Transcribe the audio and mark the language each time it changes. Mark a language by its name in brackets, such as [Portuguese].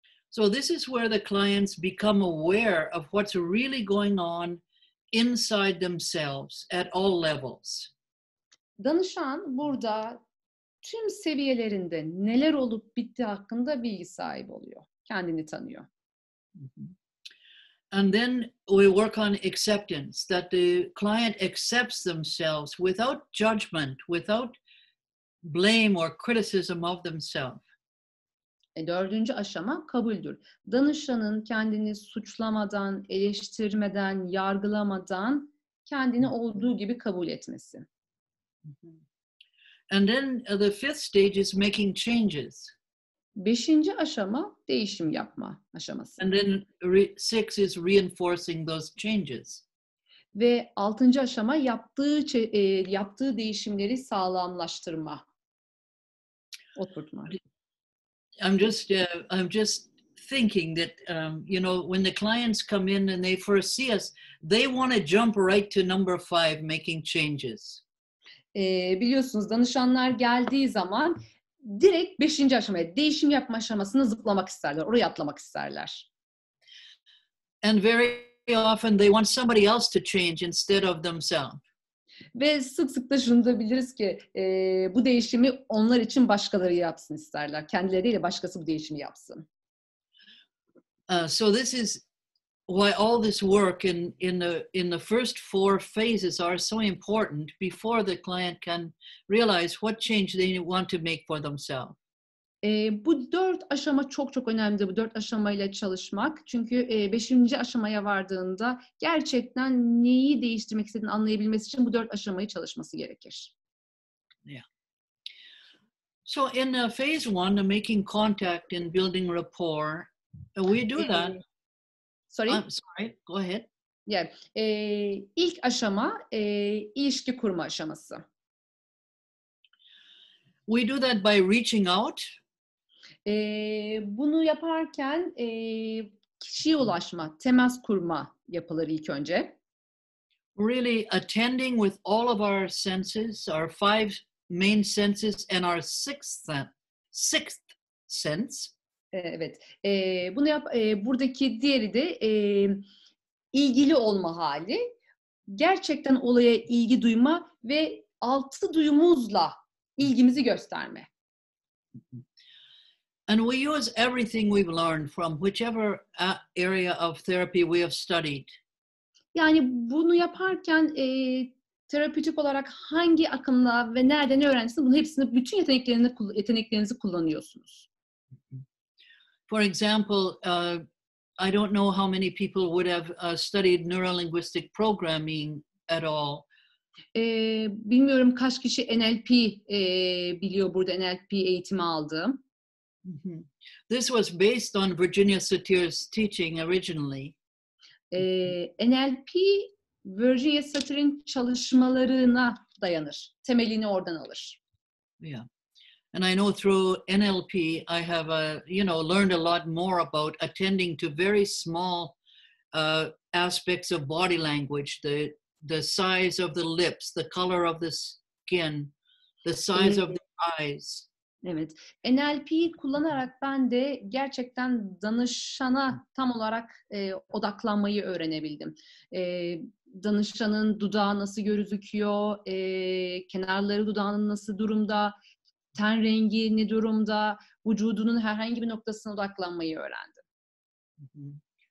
[English] So this is where the clients become aware of what's really going on inside themselves at all levels. [Turkish] Danışan burada tüm seviyelerinde neler olup bitti hakkında bilgi sahibi oluyor. Kendini tanıyor. [English] And then we work on acceptance, that the client accepts themselves without judgment, without blame or criticism of themselves. [Turkish] Dördüncü aşama kabuldür. Danışanın kendini suçlamadan, eleştirmeden, yargılamadan kendini olduğu gibi kabul etmesi. [English] And then the fifth stage is making changes. [Turkish] Beşinci aşama değişim yapma aşaması. [English] And then six is reinforcing those changes. [Turkish] Ve altıncı aşama yaptığı değişimleri sağlamlaştırma, oturtma. [English] I'm just thinking that you know, when the clients come in and they first see us, they want to jump right to number five, making changes. [Turkish] Biliyorsunuz danışanlar geldiği zaman direkt beşinci aşamaya, değişim yapma aşamasına zıplamak isterler, oraya atlamak isterler. [English] And very often they want somebody else to change instead of themselves. [Turkish] Ve sık sık da şunu da biliriz ki bu değişimi onlar için başkaları yapsın isterler. Kendileri değil de başkası bu değişimi yapsın. [English] So this is why all this work in the first four phases are so important before the client can realize what change they want to make for themselves. [Turkish] Bu dört aşama çok çok önemli, bu dört aşamayla çalışmak. Çünkü beşinci aşamaya vardığında gerçekten neyi değiştirmek istediğini anlayabilmesi için bu dört aşamayı çalışması gerekir. [English] Yeah. So in phase one, the making contact and building rapport, we do that. Sorry. Go ahead. [Turkish] Yeah. İlk aşama ilişki kurma aşaması. [English] We do that by reaching out. [Turkish] Bunu yaparken kişiye ulaşma, temas kurma yapılır ilk önce. [English] Really attending with all of our senses, our five main senses and our sixth sense. [Turkish] Evet. Bunu yap. Buradaki diğeri de ilgili olma hali. Gerçekten olaya ilgi duyma ve altı duyumuzla ilgimizi gösterme. [English] And we use everything we've learned from whichever area of therapy we have studied. [Turkish] Yani bunu yaparken terapötik olarak hangi akımla ve nerede ne öğrendiniz, bunu hepsini, bütün yeteneklerinizi kullanıyorsunuz. [English] For example, I don't know how many people would have studied neurolinguistic programming at all. [Turkish] Bilmiyorum kaç kişi NLP biliyor, burada NLP eğitimi aldı. [English] This was based on Virginia Satir's teaching originally. [Turkish] NLP Virginia Satir'in çalışmalarına dayanır. Temelini oradan alır. [English] Yeah. And I know through NLP I have learned a lot more about attending to very small aspects of body language, the size of the lips, the color of the skin, the size of the eyes. [Turkish] Evet. NLP kullanarak ben de gerçekten danışana tam olarak odaklanmayı öğrenebildim. Danışanın dudağı nasıl gözüküyor, kenarları dudağının nasıl durumda, ten rengi ne durumda, vücudunun herhangi bir noktasına odaklanmayı öğrendim.